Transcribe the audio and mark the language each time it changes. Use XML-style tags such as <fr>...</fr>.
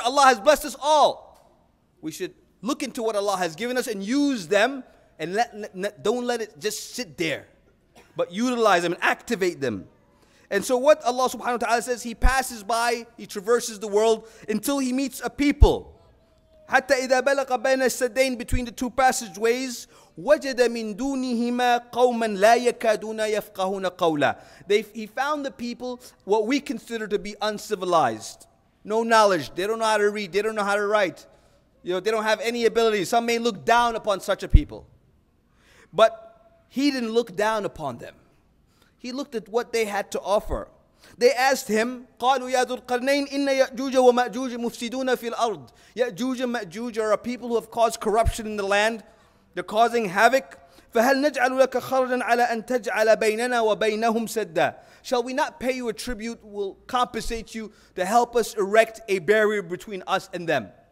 <en>Allah has blessed us all. We should look into what Allah has given us and use them, and don't let it just sit there, but utilize them and activate them. And so what Allah subhanahu wa ta'ala says, he passes by, he traverses the world until he meets a people.</en> <ar>حتى إذا بلغ بين السدين,</ar> <en>between the two passageways,</en> <ar>وجد من دونهما قوما لا يكادون يفقهون قولا.</ar> <en>He found the people, what we consider to be uncivilized. No knowledge. They don't know how to read. They don't know how to write. You know, they don't have any ability. Some may look down upon such a people. But he didn't look down upon them. He looked at what they had to offer. They asked him,</en> <ar>قَالُوا يَا ذُو الْقَرْنَيْنِ إِنَّ يَأْجُوجَ وَمَأْجُوجَ مُفْسِدُونَ فِي الْأَرْضِ.</ar> <en>يَأْجُوجَ مَأْجُوجَ are a people who have caused corruption in the land. They're causing havoc.</en> <ar>فَهَلْ نَجْعَلُ لَكَ خَرْجًا عَلَى أَن تَجْعَلَ بَيْنَنَا وَبَيْنَهُمْ سَدًّا.</ar> <en>Shall we not pay you a tribute, will compensate you to help us erect a barrier between us and them?</en>